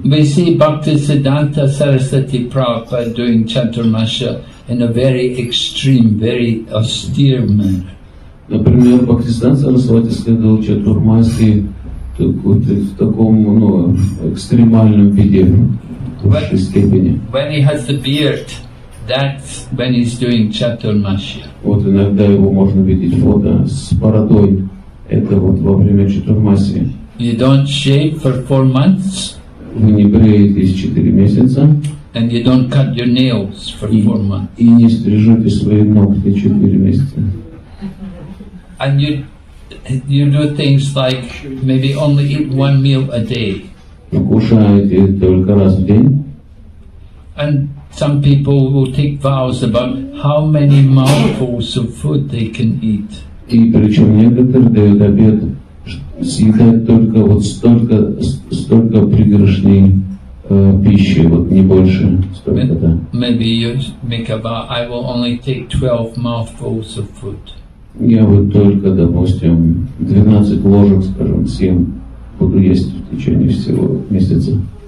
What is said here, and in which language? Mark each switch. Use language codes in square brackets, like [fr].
[en] We see Bhaktisiddhanta Sarasvati Prabhupada doing Чатурмасию in a very extreme, very austere manner. [ru] Например, Бхактисиддханта Сарасвати следовал Чатурмасии в таком экстремальном виде, в высшей степени. [en] When he has the beard, that's when he's doing Chaturmasya. [ru] Вот иногда его можно видеть фото с бородой. Это вот во время Чатурмасии. [en] You don't shave for 4 months. [ru] Вы не бреетесь 4 месяца. [en] And you don't cut your nails for 4 months. [ru] И не стрижете свои ногти 4 месяца. [en] And you do things like maybe only eat one meal a day. [ru] Кушаете только раз в день. [en] And some people will take vows about how many mouthfuls of food they can eat. [ru] И причем некоторые дают обет съедать только вот столько пригоршней пищи, вот не больше столько-то. [en] Maybe you make a vow, I will only take 12 mouthfuls of food. [ru] Я вот только, допустим, 12 ложек, скажем, съем, буду есть в течение всего месяца.